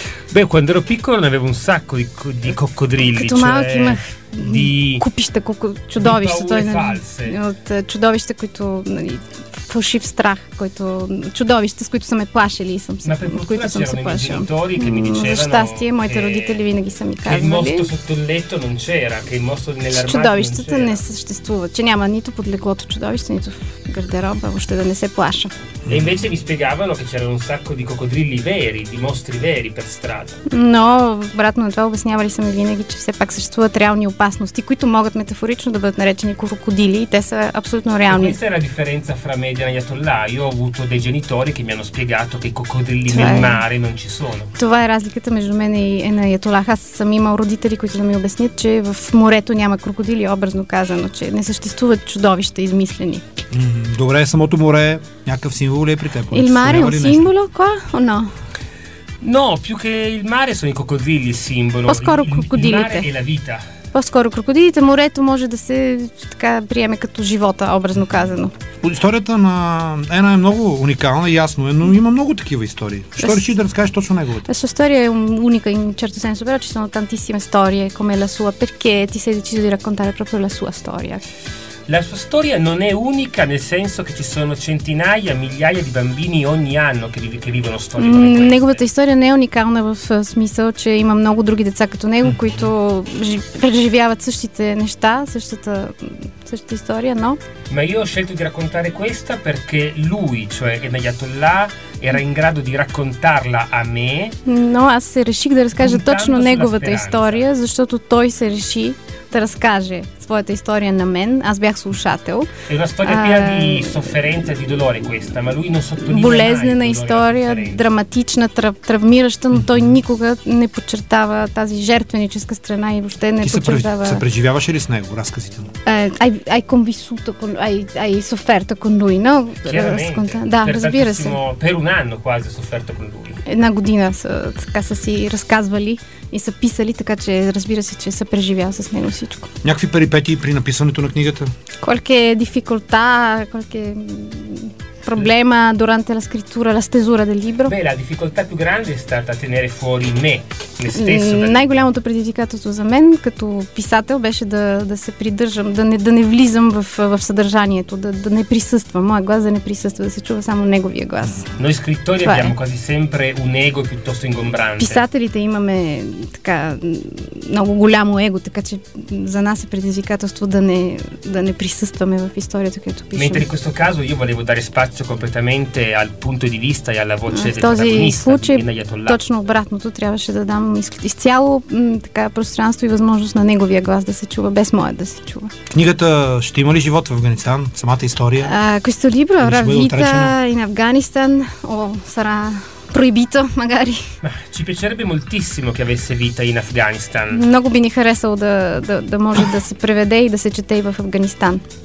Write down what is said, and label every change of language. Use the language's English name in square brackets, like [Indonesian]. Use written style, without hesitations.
[Italian] Beh, quando ero piccolo ne avevo un sacco di coccodrilli. [Bulgarian] Като малък имах купища, чудовища. [Italian] Di paure false. [Bulgarian] От чудовища, които, нали, фалшив страх, които, чудовища, с които са ме плашили и съм, от които съм се плашил. За щастие, моите родители винаги са ми казвали, че чудовищата не съществуват, че няма нито под леглото чудовище, нито в гардероба, въобще да не се плаша. [Italian] E invece mi spiegavano che c'erano un sacco di coccodrilli veri, di mostri veri per strada. [Bulgarian] No, обратно на това обяснявали са ми винаги, че все пак съществуват реални опасности, които могат метафорично да бъдат наречени крокодили и те са абсолютно реални. [Italian] Questa è la differenza fra me e gli Atollah. Io ho avuto dei genitori che mi hanno spiegato che i coccodrilli nel mare non ci sono. [Bulgarian] Това е разликата между мен и на Атолах. Аз съм имал родители, които да ми обяснят, че в морето няма крокодили, образно казано, че не съществуват чудовища измислени. Добре, самото море, някакъв символ ли е при теб? [Italian] Il mare è un simbolo qua o no? No, più che il mare sono i coccodrilli il simbolo. [Bulgarian] По-скоро крокодилите. [Italian] Il mare è la vita. [Bulgarian] По-скоро крокодилите, морето може да се така приеме като живота, образно казано. Историята на Ена е много уникална, ясно е, но има много такива истории. Що реши да разкажеш точно неговата? Тази история е уника, [Italian] in certo senso, però ci sono tantissime storie come la sua, perché ti sei deciso di raccontare proprio la sua storia. La sua storia non è unica, nel senso che ci sono centinaia, migliaia di bambini ogni anno che vivono storie come queste. [Bulgarian] Неговата история не е уникална в смисъл, че има много други деца като него, които преживяват същите неща, същата история, но... [Italian] Ma io ho scelto di raccontare questa perché lui, cioè Ayatollah, era in grado di raccontarla a me. [Bulgarian] Но аз се реших да разкажа точно неговата история, защото той се реши да разкаже своята история на мен. Аз бях слушател. [Italian] È una storia piena di sofferenza, di dolore questa, ma lui non sottolinea. [Bulgarian] Болезнена история, драматична, травмираща, но той никога не подчертава тази жертвеническа страна и въобще не подчертава. Ти се преживяваше ли с него разказите му? [Italian] Hai convissuto con hai sofferto con lui, no? [Bulgarian] Да, разбира се. [Italian] Per un anno quasi sofferto con lui. [Bulgarian] Една година са си разказвали и са писали, така че разбира се, че са преживял с него всичко. Някакви перипетии при написането на книгата? Колко е дификулта, колко е проблема [Italian] durante la scrittura, la stesura del libro? Beh, la difficoltà più grande è stata tenere fuori me, me stesso. [Bulgarian] Най-голямото предизвикателство за мен като писател беше да се придържам, да не влизам в съдържанието, да не присъствам, моя глас да не присъства, да се чува само неговия глас. [Italian] Noi scrittori abbiamo quasi sempre un ego piuttosto ingombrante. [Bulgarian] Писателите имаме така много голямо его, така че за нас е предизвикателство да не присъстваме в историята, която пишем. [Italian] Mentre in questo caso io volevo dare spazio completamente al punto di vista e alla voce del protagonista. [Bulgarian] Точно обратното, трябваше да дам изцяло така пространство и възможност на неговия глас да се чува, без моя да се чува. Книгата ще има ли живот в Афганистан? Самата история? [Italian] Questo libro avrà vita in Afghanistan o sarà proibito magari? Ci piacerebbe moltissimo che avesse vita in Afghanistan. [Bulgarian] Много би ни харесало да може да се преведе и да се чете и в Афганистан.